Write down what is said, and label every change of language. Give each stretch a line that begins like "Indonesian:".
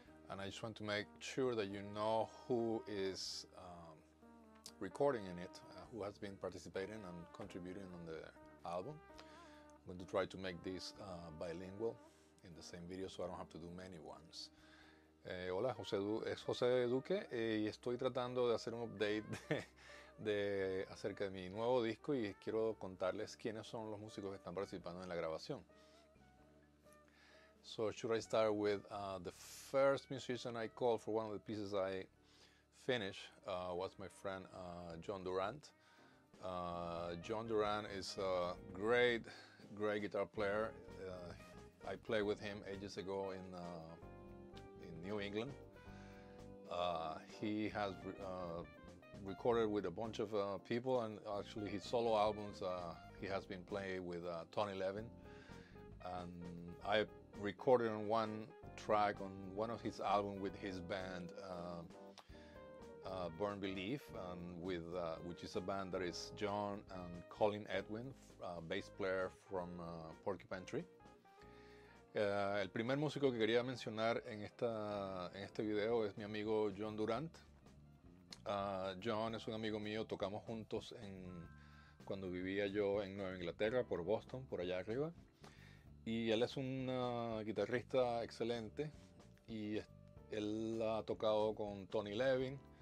English: And I just want to make sure that you know who is recording in it, who has been participating and contributing on the album. I'm going to try to make this bilingual in the same video so I don't have to do many ones.
Spanish: Hola, es José Duque y estoy tratando de hacer un update de acerca de mi nuevo disco y quiero contarles quiénes son los músicos que están participando en la grabación.
English: So should I start with the first musician I called for one of the pieces I finished was my friend John Durant. John Durant is a great guitar player. I played with him ages ago in New England. He has recorded with a bunch of people, and actually his solo albums, he has been playing with Tony Levin. And I recorded on one track on one of his albums with his band, Burn Belief, and with which is a band that is John and Colin Edwin, bass player from Porcupine Tree.
Spanish: El primer músico que quería mencionar en este video es mi amigo John Durant. John es un amigo mío, tocamos juntos cuando vivía yo en Nueva Inglaterra, por Boston, por allá arriba. Y él es un guitarrista excelente y él ha tocado con Tony Levin.